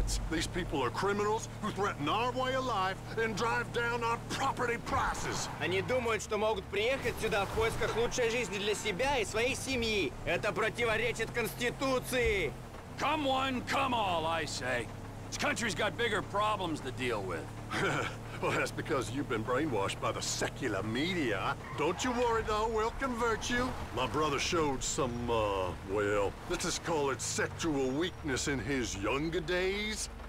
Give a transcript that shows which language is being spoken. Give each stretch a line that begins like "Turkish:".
English: These people are criminals who threaten our way of life and drive down our property prices.
Russian: Они думают, что могут приехать сюда в поисках лучшей жизни для себя и своей семьи. Это противоречит Конституции.
English: Come one, come all, I say. This country's got bigger problems to deal with. Well, that's because you've been brainwashed by the secular media. Don't you worry, though. We'll convert you. My brother showed some, let's just call it sexual weakness in his younger days.